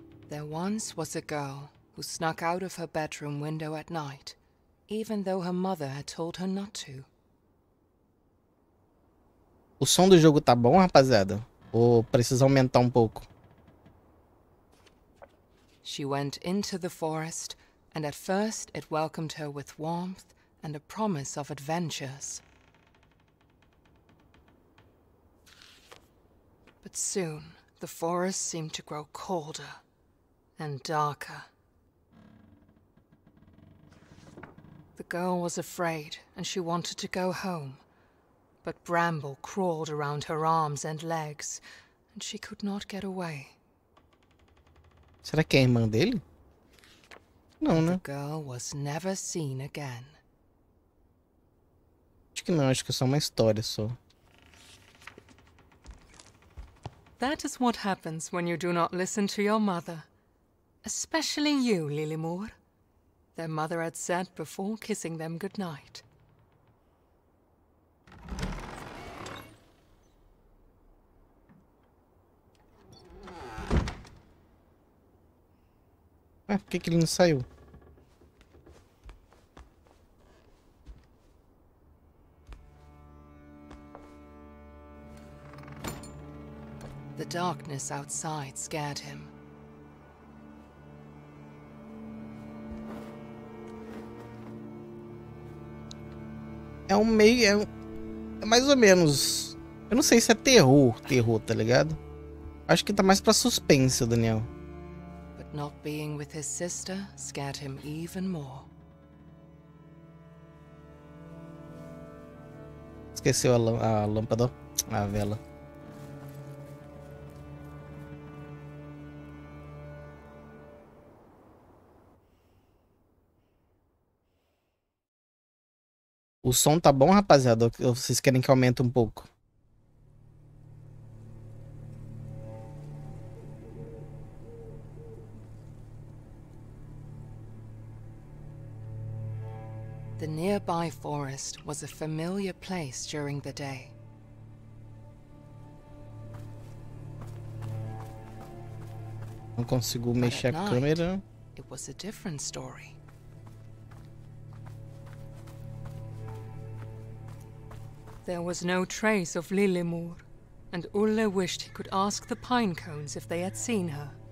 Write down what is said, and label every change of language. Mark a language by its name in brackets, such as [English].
[English] There once was a girl who snuck out of her bedroom window at night, even though her mother had told her not to. [Portuguese] O som do jogo tá bom, rapaziada? Ou precisa aumentar um pouco? [English] She went into the forest, and at first it welcomed her with warmth and a promise of adventures. But soon, the forest seemed to grow colder and darker. The girl was afraid, and she wanted to go home. But Bramble crawled around her arms and legs, and she could not get away. [Portuguese] Será que é a irmã dele? Não, né? [English] The girl was never seen again. [Portuguese] Acho que não, acho que é só uma história só. [English] That is what happens when you do not listen to your mother. Especially you, Lilimor. Their mother had said before kissing them goodnight. [Portuguese] Ué, por que que ele não saiu? [English] The darkness outside scared him. [Portuguese] É um meio... É mais ou menos... Eu não sei se é terror, tá ligado? Acho que tá mais pra suspense, Daniel. [English] But not being with his sister scared him even more. [Portuguese] Esqueceu a lâmpada, a vela. O som tá bom, rapaziada? Ou vocês querem que aumente um pouco? [English] The nearby forest was a familiar place during the day. [Portuguese] Não consigo mexer a câmera. [English] It was a different story. There was no trace of Lilimur, and Ulle wished he could ask the pine cones if they had seen her.